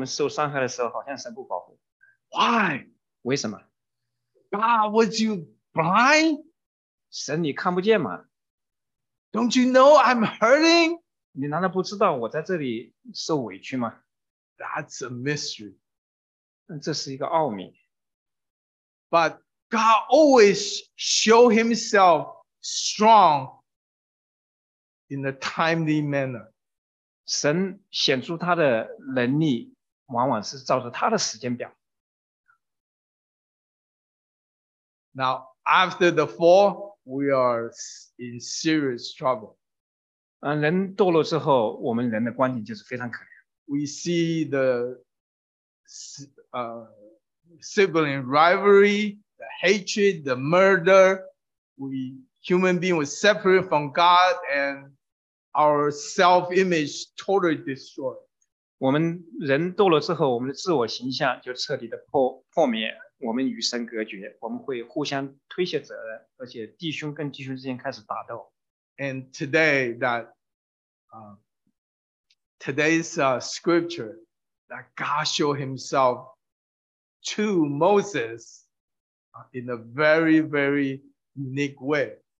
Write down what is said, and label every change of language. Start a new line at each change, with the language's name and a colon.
Chinese: 很多时候在教会我们受伤害的时候，好像神不保护。
English: Why?
Chinese: 为什么？
English: God, was you blind?
Chinese: 神，你看不见吗？
English: Don't you know I'm hurting?
Chinese: 你难道不知道我在这里受委屈吗？
English: That's a mystery.
Chinese: 这是一个奥秘。
English: But God always show himself strong in a timely manner.
Chinese: 神显出他的能力，往往是照着他的时间表。
English: Now, after the fall, we are in serious trouble.
Chinese: 人堕落之后，我们人的光景就是非常可怜。
English: We see the sibling rivalry, the hatred, the murder. We human beings were separated from God, and our self-image totally destroyed.
Chinese: 我们人堕落之后，我们的自我形象就彻底的破灭。我们与神隔绝，我们会互相推卸责任，而且弟兄跟弟兄之间开始打斗。
English: And today that today's scripture that God showed himself to Moses in a very, very unique way.